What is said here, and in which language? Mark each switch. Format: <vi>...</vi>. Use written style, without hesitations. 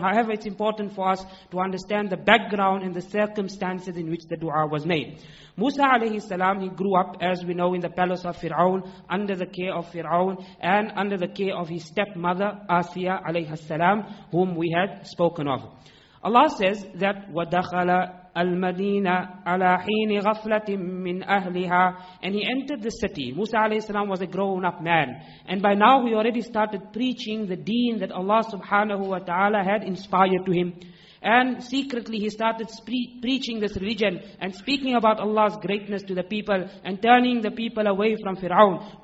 <en>However, it's important for us to understand the background and the circumstances in which the dua was made. Musa alayhi salam, he grew up, as we know, in the palace of Fir'aun, under the care of Fir'aun, and under the care of his stepmother, Asiya alayhi salam, whom we had spoken of. Allah says that,</en> <ar>وَدَخَلَ الْمَدِينَةَ عَلَىٰ حِينِ غَفْلَةٍ مِّنْ أَهْلِهَا.</ar> <en>And he entered the city. Musa alayhi salam was a grown-up man. And by now he already started preaching the deen that Allah subhanahu wa ta'ala had inspired to him. And secretly he started preaching this religion and speaking about Allah's greatness to the people and turning the people away from Fir'aun.</en>